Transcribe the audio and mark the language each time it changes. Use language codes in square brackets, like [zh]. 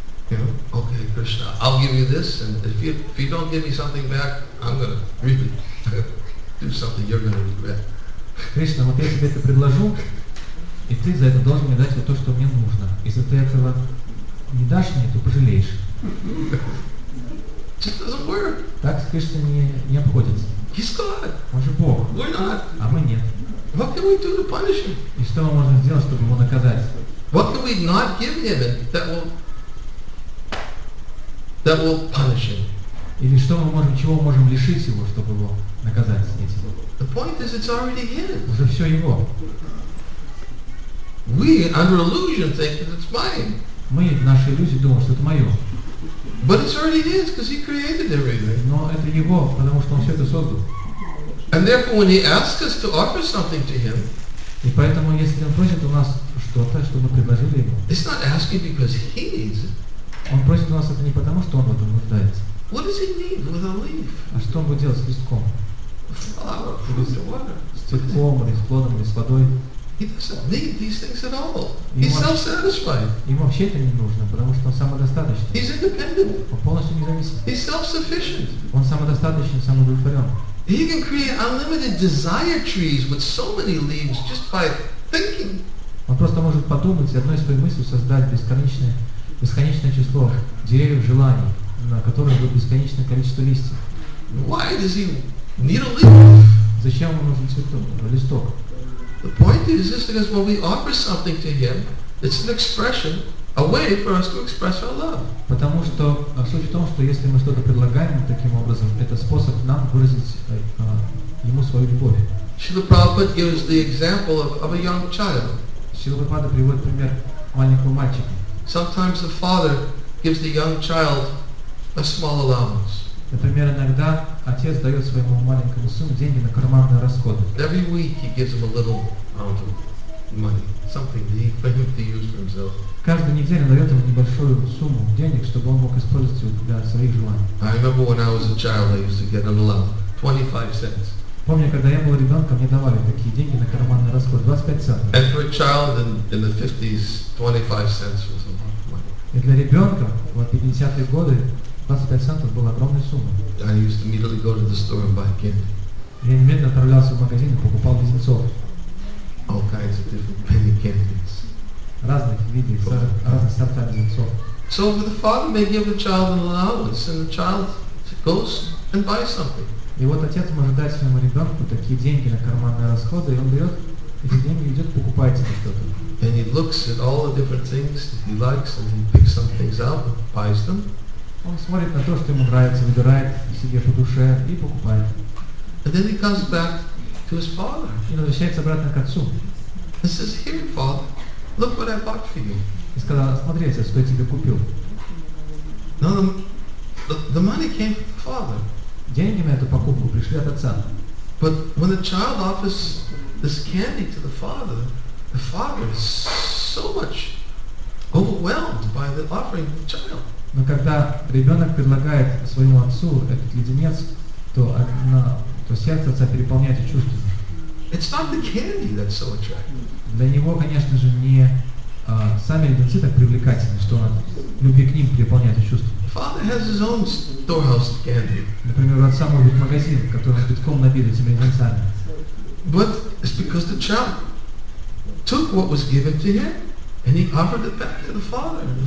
[en] You know, okay, Krishna, I'll give you this, and if you don't give me something back, I'm gonna really do something you're gonna regret. [ru] Кришна, вот я тебе это предложу, и ты за это должен мне дать вот то, что мне нужно. Если ты этого не дашь мне, то пожалеешь. [en] Just doesn't work. [ru] Так с Кришной не обходится. [en] He's God. [ru] Он же Бог. [en] We're not. [ru] А мы нет. [en] What can we do to punish him? [ru] И что мы можем сделать, чтобы его наказать? [en] What can we not give him that will punish him? [ru] Или что мы можем, чего мы можем лишить его, чтобы его наказать здесь? [en] The point is, it's already his. [ru] Уже все его. [en] We, under illusion, think that it's mine. [ru] Мы, наши иллюзии, думаем, что это мое. [en] But it's already his, because he created everything. [ru] Но это его, потому что он все это создал. [en] And therefore, when he asks us to offer something to him, [ru] и поэтому, если он просит у нас что-то, что мы предложили ему, [en] it's not asking because he needs it. [ru] Он просит у нас это не потому, что он в этом нуждается. [en] What does he need with a leaf? [ru] А что он будет делать с листком? [en] Flower, with the water. [ru] С цветком, или с плодом, или с водой. [en] He doesn't need these things at all. He's self-satisfied. [ru] Ему вообще это не нужно, потому что он самодостаточный. [en] He's independent. [ru] Он полностью независим. [en] He's self-sufficient. [ru] Он самодостаточный, самоудовлетворен. [en] He can create unlimited desire trees with so many leaves just by thinking. [ru] Он просто может подумать и одной своей мыслью создать бесконечное число деревьев желаний, на которых будет бесконечное количество листьев. [en] Why does he need a leaf? [ru] Зачем ему нужен цветок, листок? [en] The point is this, because when we offer something to him, it's an expression, a way for us to express our love. [ru] Потому что суть в том, что если мы что-то предлагаем таким образом, это способ нам выразить ему свою любовь. [en] Srila Prabhupada gives the example of a young child. [ru] Srila Prabhupada приводит пример маленького мальчика. [en] Sometimes the father gives the young child a small allowance. [ru] Например, иногда отец дает своему маленькому сыну деньги на карманные расходы. [en] Every week he gives him a little amount of money, something for him to use for himself. [ru] Каждую неделю дает ему небольшую сумму денег, чтобы он мог использовать ее для своих желаний. [en] I remember when I was a child, I used to get an allowance, 25 cents. [ru] Помню, когда я был ребенком, мне давали такие деньги на карманные расходы, 25 центов. [en] And for a child in the 50s, 25 cents was a lot of money. [ru] И для ребенка в 50-е годы 25 центов была огромная сумма. [en] I used to immediately go to the store and buy candy. [ru] Я немедленно отправлялся в магазин и покупал леденцов. [en] All kinds of different penny candies. [ru] Разных видов, разных сортов леденцов. [en] So the father may give the child an allowance, and the child goes and buys something. [ru] И вот отец может дать своему ребенку такие деньги на карманные расходы, и он берет эти деньги и идет покупает себе что-то. [en] And he looks at all the different things that he likes, and he picks some things out and buys them. [ru] Он смотрит на то, что ему нравится, выбирает себе по душе и покупает. [en] And then he comes back to his father. [ru] И возвращается обратно к отцу. [en] He says, "Here, father, look what I bought for you." [ru] И сказал: "Смотри, отец, что я тебе купил." [en] No, the money came from the father. [ru] Деньги на эту покупку пришли от отца. [en] But when a child offers this candy to the father is so much overwhelmed by the offering of the child. [ru] Но когда ребенок предлагает своему отцу этот леденец, то сердце отца переполняется чувствами. [en] It's not the candy that's so attractive. [ru] Для него, конечно же, не сами леденцы так привлекательны, что он любви к ним переполняется чувствами. [en] Father has his own storehouse of candy. [ru] Например, у отца может быть магазин, который битком набит этими леденцами. [en] But it's because the child took what was given to him and he offered it back to the father.